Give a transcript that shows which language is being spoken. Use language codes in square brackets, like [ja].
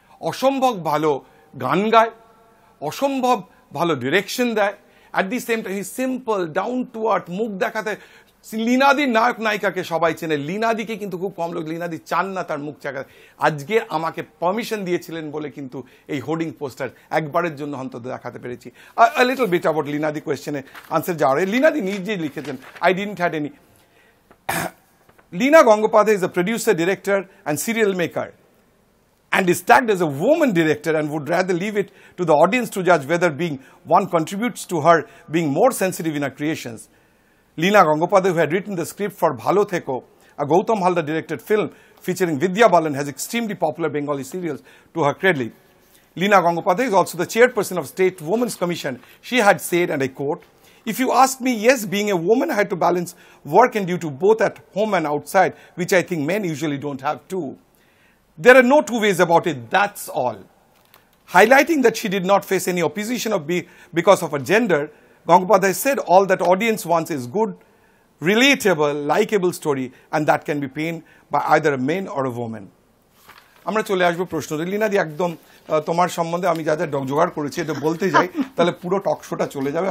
[bn] অসম্ভব ভালো গান গায়, অসম্ভব ভালো ডিরেকশন দেয়, [en] at the same time he simple, down to earth, [bn] মুখ দেখাতে, লীনাদির নায়ক নায়িকাকে সবাই চেনে, লীনাদিকে কিন্তু খুব কম লোক, লীনাদি চান না তার মুখ চাকা, আজকে আমাকে পারমিশন দিয়েছিলেন বলে কিন্তু এই হোর্ডিং পোস্টার একবারের জন্য অন্তত দেখাতে পেরেছি। [en] a little bit about লীনাদি কোয়েশ্চেনে answer যাওয়ার, [bn] লীনাদি নিজেই লিখেছেন, [en] I didn't had any. Leena Gangopadhyay is a producer, director and serial maker, and is tagged as a woman director and would rather leave it to the audience to judge whether being one contributes to her being more sensitive in her creations. Leena Gangopadhyay, who had written the script for Bhalo Theko, a Gautam Halda directed film featuring Vidya Balan, has extremely popular Bengali serials to her credit. Leena Gangopadhyay is also the chairperson of State Women's Commission. She had said, and I quote, "If you ask me, yes, being a woman I had to balance work and duty both at home and outside, which I think men usually don't have too." There are no two ways about it, that's all. Highlighting that she did not face any opposition of because of her gender, Gangopadhyay said all that audience wants is good, relatable, likable story, and that can be painted by either a man or a woman. [bn] আমরা চলে আসবো প্রশ্নতে। লীনাদি, একদম তোমার সম্বন্ধে আমি যা যা doc জোগাড় করেছি এটা বলতে যাই, তাহলে পুরো টক শোটা চলে যাবে।